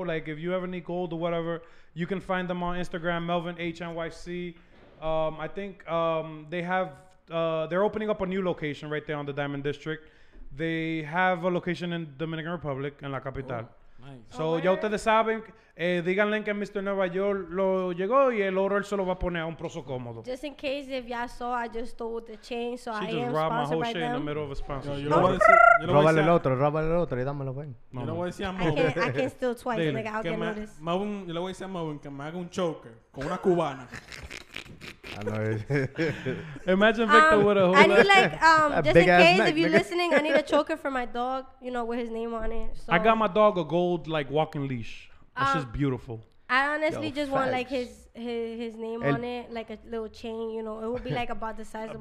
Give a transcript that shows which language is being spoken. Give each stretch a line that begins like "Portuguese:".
English: Like, if you ever need gold or whatever, you can find them on Instagram, Melvin H. NYC. I think they have, they're opening up a new location right there on the Diamond District. They have a location in Dominican Republic, in La Capital. Oh, nice.
Spanish: So, ya ustedes saben, díganle que Mr. Nueva York lo llegó y el oro él se lo va a poner a un prozo cómodo.
English: Just in case if y'all saw, I just stole the chain, so she I am sponsored by them. She just robbed my whole shit in the middle of a sponsor.
Spanish: Yo lo voy a decir. Róbale el otro, róbale el otro y dámelo, ven. Yo lo voy a decir a
English: Mowen. I can steal twice, nigga, I'll get noticed.
Spanish: Yo le voy a decir a Mowen que me haga un choker con una cubana.
English: I know. Imagine Victor with a hula. I need like just in case neck, if you're listening, I need a choker for my dog, you know, with his name on it. So I got my dog a gold like walking leash. That's just beautiful. I honestly just want like his name on it, like a little chain, you know. It would be like about the size of